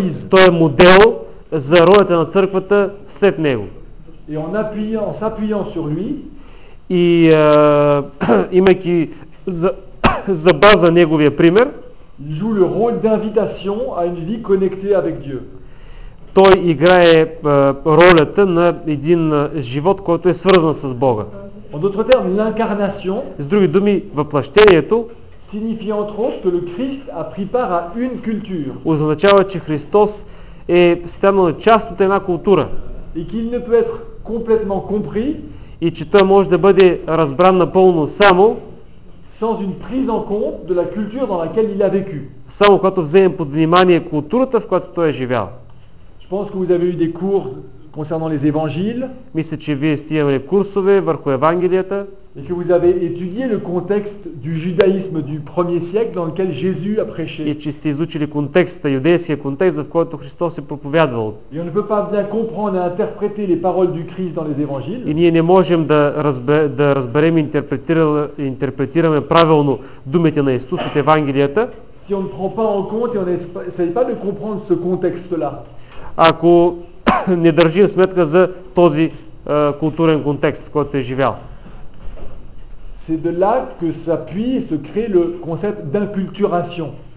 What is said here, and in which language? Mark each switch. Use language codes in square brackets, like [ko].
[bg] Той е модел за ролята на църквата след него. [fr] Et en s'appuyant sur lui, [bg] и имайки за база неговия пример, [fr] il joue le rôle d'invitation à une vie connectée avec Dieu. [bg] Той играе ролята на един живот, който е свързан с Бога. [fr] En d'autres termes, l'incarnation, [bg] с други думи, въплъщението [fr] signifie entre autres que le Christ a pris part à une culture. [bg] Означава, че Христос е станал част от една култура. [fr] Et qu'il ne peut être complètement compris, [bg] и че той може да бъде разбран напълно само [fr] sans une prise en compte de la culture dans laquelle il a vécu. [bg] Само когато вземем под внимание културата, в която той е живял. [fr] Je pense que vous avez eu des cours concernant les évangiles. [bg] Мисля, че вие сте имали курсове върху Евангелията. [fr] Et que vous avez étudié le contexte du judaïsme du 1er siècle dans lequel Jésus a prêché. [bg] И че сте изучили контекста, юдейския контекст, в който Христос е проповядвал. [fr] Et on ne peut pas bien comprendre et interpréter les paroles du Christ dans les évangiles. [bg] И ние не можем да разберем и интерпретираме правилно думите на Исус от Евангелията. [fr] Si on ne prend pas en compte et on n'essaye pas de comprendre ce contexte-là. [bg] Ако не държим сметка за този културен контекст, в който е живял. [fr] C'est de là que s'appuie et se crée le concept d'inculturation.